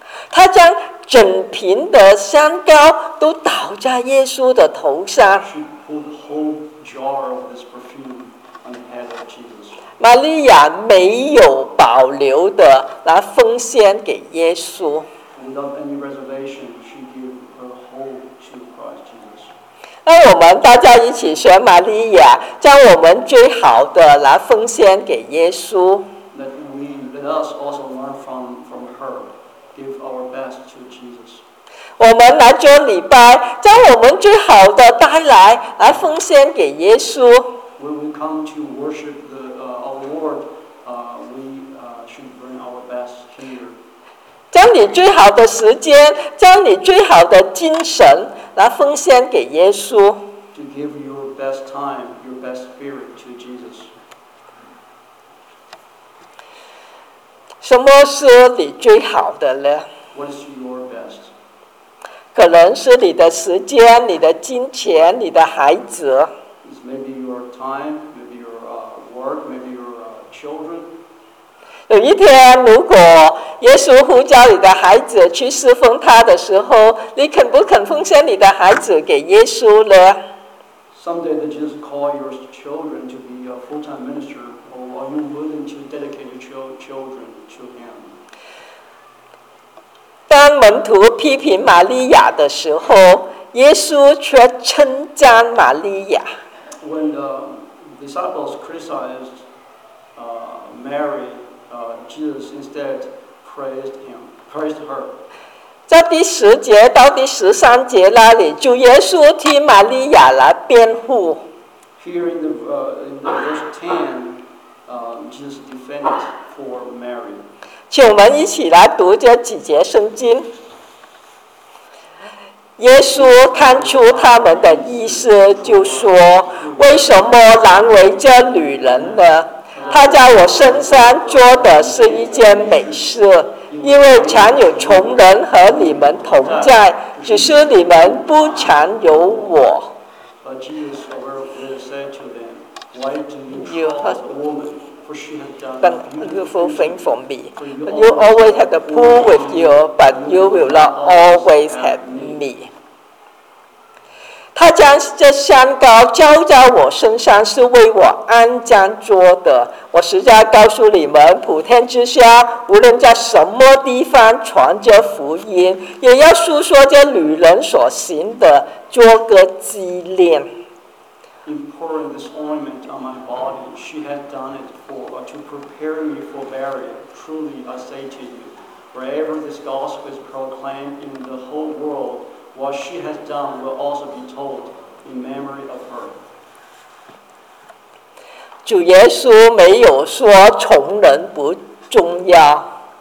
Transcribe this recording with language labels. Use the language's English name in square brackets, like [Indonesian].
[Chinese] 他将整瓶的香膏都倒在耶稣的头上。 [English] She put the whole jar of this perfume on the head of Jesus. [Chinese] 玛利亚没有保留的来奉献给耶稣。 [English] Without any reservation, she gave her whole to Christ Jesus. [Chinese] 那我们大家一起学玛利亚，将我们最好的来奉献给耶稣。 [English] Let us also learn from her. Give our best to Jesus. [Chinese] 我们来做礼拜，将我们最好的带来，来奉献给耶稣。 [English] When we come to worship the our Lord, we should bring our best here. [Chinese] 将你最好的时间，将你最好的精神，来奉献给耶稣。 [English] To give your best time, your best spirit to Jesus. [Chinese] 什么是你最好的呢？ [English] What is your best? [Chinese] 可能是你的时间、你的金钱、你的孩子。 [English] It's maybe your time, maybe your work, maybe your children. [Chinese] 有一天，如果耶稣呼召你的孩子去侍奉他的时候，你肯不肯奉献你的孩子给耶稣呢？ [English] Someday that Jesus call your children to be a full-time minister, or are you willing to dedicate your children? [Chinese] 当门徒批评玛利亚的时候，耶稣却称赞玛利亚。 [English] When the disciples criticized Mary, Jesus instead praised her. [Chinese] 在第十节到第十三节那里，主耶稣替玛利亚来辩护。 [English] Here in the verse 10, Jesus defended for Mary. [Chinese] 请我们一起来读这几节圣经。耶稣看出他们的意思，就说：“为什么难为这女人呢？她在我身上做的是一件美事，因为常有穷人和你们同在，只是你们不常有我。” [English] Jesus said to them, "Why do you trouble the woman? For but beautiful thing for me. You always had the pool with you, but you will not always have me. [Chinese] 他将这香膏浇在我身上，是为我安葬做的。我实在告诉你们，普天之下，无论在什么地方传着福音，也要诉说着女人所行的，做个纪念。 [English] In pouring this ointment on my body, she had done it to prepare me for burial. Truly, I say to you, wherever this gospel is proclaimed in the whole world, what she has done will also be told in memory of her. [Chinese] 主耶稣没有说穷人不重要。